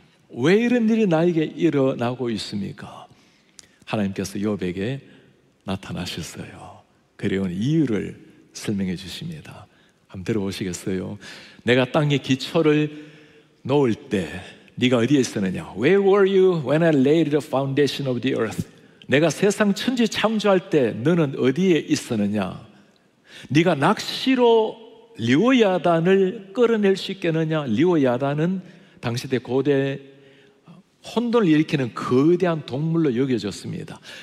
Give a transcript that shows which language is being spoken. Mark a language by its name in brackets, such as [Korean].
[Korean] 왜 이런 일이 나에게 일어나고 있습니까? 하나님께서 욥에게 나타나셨어요. 그리고 이유를 설명해 주십니다. 한번 들어보시겠어요? 내가 땅의 기초를 놓을 때 네가 어디에 있었느냐? [English] Where were you when I laid the foundation of the earth? [Korean] 내가 세상 천지 창조할 때 너는 어디에 있었느냐? 네가 낚시로 리오야단을 끌어낼 수 있겠느냐? 리오야단은 당시 때 고대 혼돈을 일으키는 거대한 동물로 여겨졌습니다.